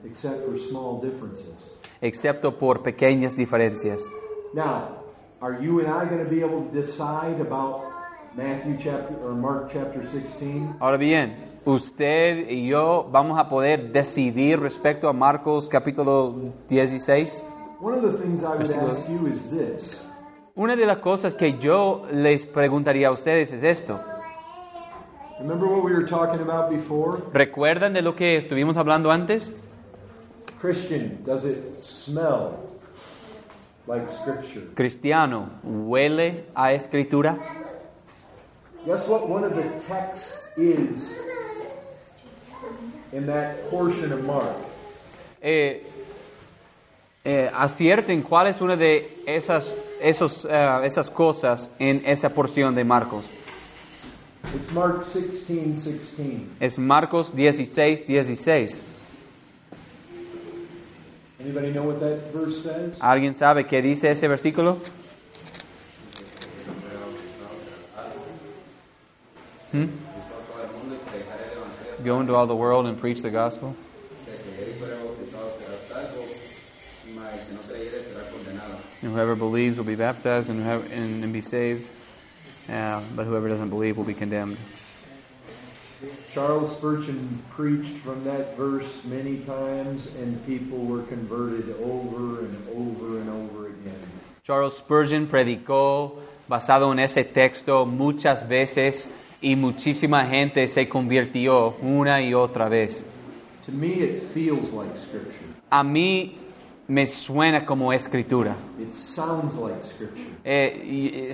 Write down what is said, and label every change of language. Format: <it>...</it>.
<en>Except for small differences.</en> <es>Excepto por pequeñas diferencias.</es> <en>Now, are you and I going to be able to decide about Matthew chapter or Mark chapter 16?</en> <es>Ahora bien, usted y yo vamos a poder decidir respecto a Marcos capítulo 16.</es> <en>One of the things I would ask you is this.</en> <es>Una de las cosas que yo les preguntaría a ustedes es esto.</es> <en>Remember what we were talking about before?</en> <es>¿Recuerdan de lo que estuvimos hablando antes?</es> <en>Christian, does it smell like scripture?</en> <es>Cristiano, ¿huele a escritura?</es> <en>Guess what one of the texts is in that portion of Mark.</en> <es>Acierten cuál es una de esas cosas en esa porción de Marcos.</es> <en>It's Mark 16:16.</en> <es>Es Marcos 16:16.</es> <en>Anybody know what that verse says?</en> <es>¿Alguien sabe qué dice ese versículo?</es> <en>Go into all the world and preach the gospel. And whoever believes will be baptized and be saved. But whoever doesn't believe will be condemned. Charles Spurgeon preached from that verse many times, and people were converted over and over and over again.</en> <es>Charles Spurgeon predicó basado en ese texto muchas veces, y muchísima gente se convirtió una y otra vez.</es> <en>To me, it feels like scripture.</en> <es>A mí me suena como escritura.</es> <en>It sounds like scripture.</en>